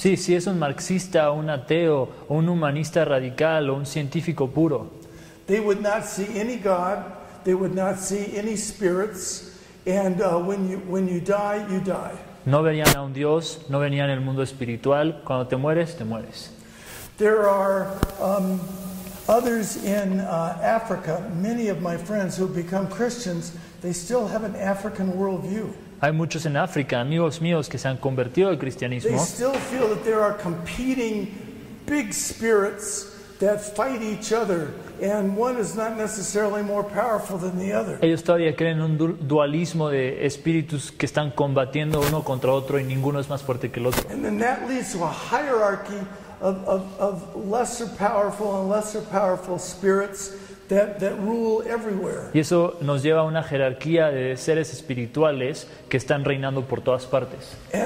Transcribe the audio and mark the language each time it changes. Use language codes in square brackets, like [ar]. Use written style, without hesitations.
[es] Sí, sí, es un marxista, un ateo, un humanista radical o un científico puro. [en] They would not see any God. They would not see any spirits. And when you die, you die. [es] No verían a un Dios. No verían el mundo espiritual. Cuando te mueres, te mueres. [en] There are others in Africa. Many of my friends who have become Christians, they still have an African worldview. [es] Hay muchos en África, amigos míos, que se han convertido al cristianismo. [en] They still feel that there are competing big spirits that fight each other, and one is not necessarily more powerful than the other. [es] Ellos todavía creen en un dualismo de espíritus que están combatiendo uno contra otro y ninguno es más fuerte que el otro. [en] And then that leads to a hierarchy of lesser powerful and lesser powerful spirits that rule everywhere. [es] Y eso nos lleva a una jerarquía de seres espirituales que están reinando por todas partes.